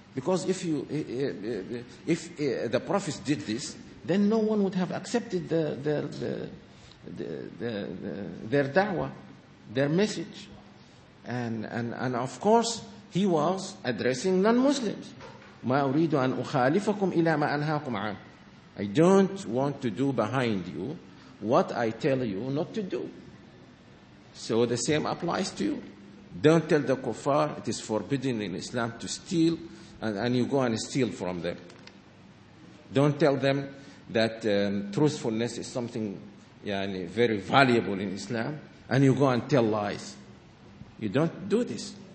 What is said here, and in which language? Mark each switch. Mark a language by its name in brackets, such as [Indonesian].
[English] Because if the prophets did this, then no one would have accepted their da'wah, their message. And of course, he was addressing non-Muslims. [Arabic] مَا أُرِيدُ أَنْ أُخَالِفَكُمْ إِلَى مَا أَنْهَاكُمْ عَنْهُ. [English] I don't want to do behind you what I tell you not to do. So the same applies to you. Don't tell the kuffar it is forbidden in Islam to steal, and you go and steal from them. Don't tell them that truthfulness is something very valuable in Islam, and you go and tell lies. You don't do this.